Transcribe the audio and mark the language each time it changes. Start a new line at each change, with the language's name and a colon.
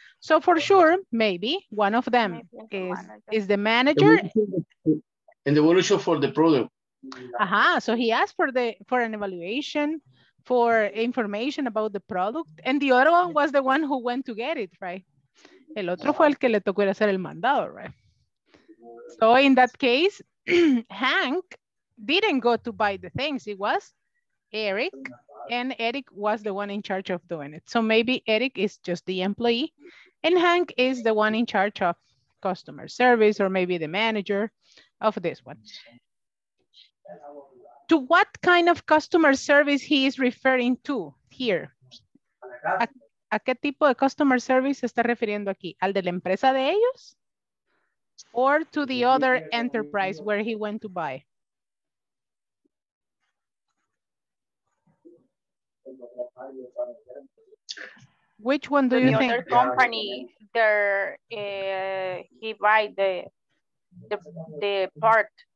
English: So for sure, maybe one of them is the manager. And the evaluation for the product. Uh-huh. So he asked for an evaluation, for information about the product, and the other one was the one who went to get it, right?
Spanish: El otro fue el que le tocó ir a hacer el mandado,
English: right? So in that case, Hank didn't go to buy the things. It was Eric, and Eric was the one in charge of doing it. So maybe Eric is just the employee, and Hank is the one in charge of customer service, or maybe the manager of this one. To what kind of customer service he is referring to here?
Spanish: ¿A qué tipo de customer service se está refiriendo aquí? ¿Al de la empresa de ellos?
English: Or to the other enterprise where he went to buy? Which one do you think? The other company, he buy the part.